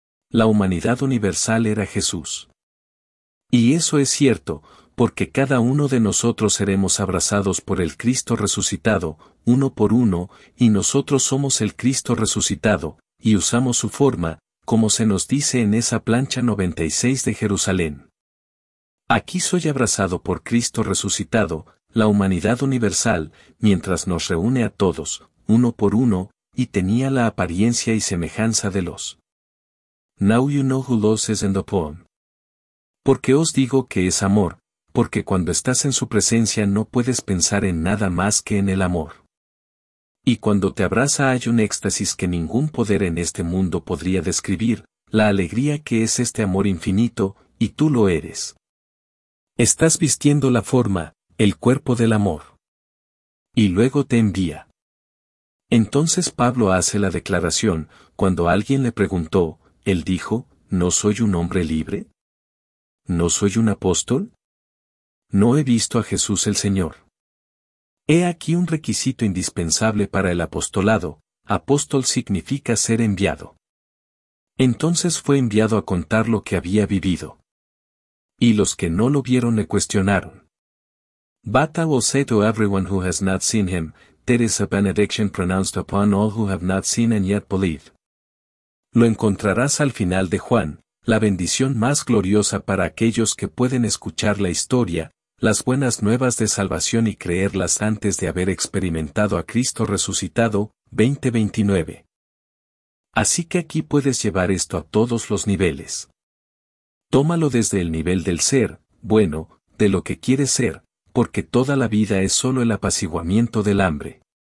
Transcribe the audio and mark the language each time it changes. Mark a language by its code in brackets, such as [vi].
[es] La humanidad universal era Jesús. Y eso es cierto, porque cada uno de nosotros seremos abrazados por el Cristo resucitado, uno por uno, y nosotros somos el Cristo resucitado, y usamos su forma, como se nos dice en esa plancha 96 de Jerusalén. Aquí soy abrazado por Cristo resucitado, la humanidad universal, mientras nos reúne a todos, uno por uno, y tenía la apariencia y semejanza de los. [en] Now you know who Love is in the poem. [es] Porque os digo que es amor, porque cuando estás en su presencia no puedes pensar en nada más que en el amor. Y cuando te abraza hay un éxtasis que ningún poder en este mundo podría describir, la alegría que es este amor infinito, y tú lo eres. Estás vistiendo la forma, el cuerpo del amor. Y luego te envía. Entonces Pablo hace la declaración, cuando alguien le preguntó, él dijo, ¿no soy un hombre libre? ¿No soy un apóstol? ¿No he visto a Jesús el Señor? He aquí un requisito indispensable para el apostolado, apóstol significa ser enviado. Entonces fue enviado a contar lo que había vivido. Y los que no lo vieron le cuestionaron. [en] But I will say to everyone who has not seen him, there is a benediction pronounced upon all who have not seen and yet believe. [es] Lo encontrarás al final de Juan, la bendición más gloriosa para aquellos que pueden escuchar la historia, las buenas nuevas de salvación y creerlas antes de haber experimentado a Cristo resucitado, 20:29. Así que aquí puedes llevar esto a todos los niveles. Tómalo desde el nivel del ser, bueno, de lo que quieres ser, porque toda la vida es solo el apaciguamiento del hambre.